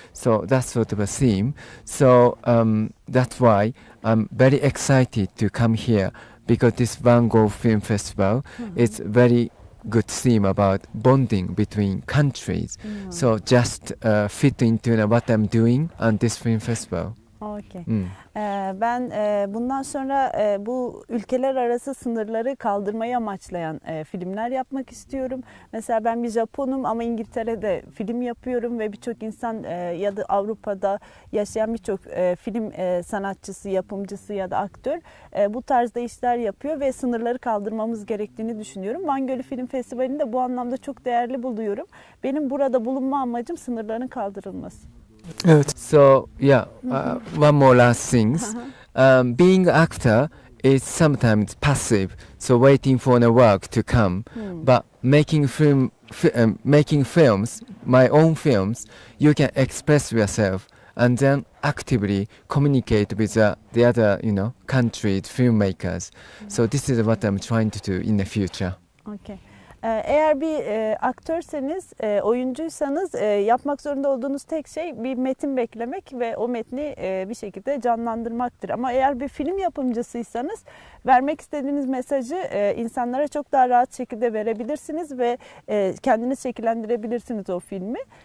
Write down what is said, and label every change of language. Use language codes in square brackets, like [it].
[en] So that sort of a theme. So that's why I'm very excited to come here, because this Van Gogh Film Festival is very good theme about bonding between countries. Mm. So just fit into what I'm doing on this film festival. Okay. Mm. [tr] Ben bundan sonra bu ülkeler arası sınırları kaldırmayı amaçlayan filmler yapmak istiyorum. Mesela ben bir Japonum ama İngiltere'de film yapıyorum ve birçok insan ya da Avrupa'da yaşayan birçok film sanatçısı, yapımcısı ya da aktör bu tarzda işler yapıyor ve sınırları kaldırmamız gerektiğini düşünüyorum. Van Gölü Film Festivali'ni de bu anlamda çok değerli buluyorum. Benim burada bulunma amacım sınırların kaldırılması. [en] Evet. So yeah, one more last things. Being actor is sometimes passive, so waiting for the work to come. But making film, making films, my own films, you can express yourself and then actively communicate with the other, you know, countries, filmmakers. So this is what I'm trying to do in the future. Okay. [tr] Eğer bir aktörseniz, oyuncuysanız yapmak zorunda olduğunuz tek şey bir metin beklemek ve o metni bir şekilde canlandırmaktır. Ama eğer bir film yapımcısıysanız vermek istediğiniz mesajı insanlara çok daha rahat şekilde verebilirsiniz ve kendiniz şekillendirebilirsiniz o filmi.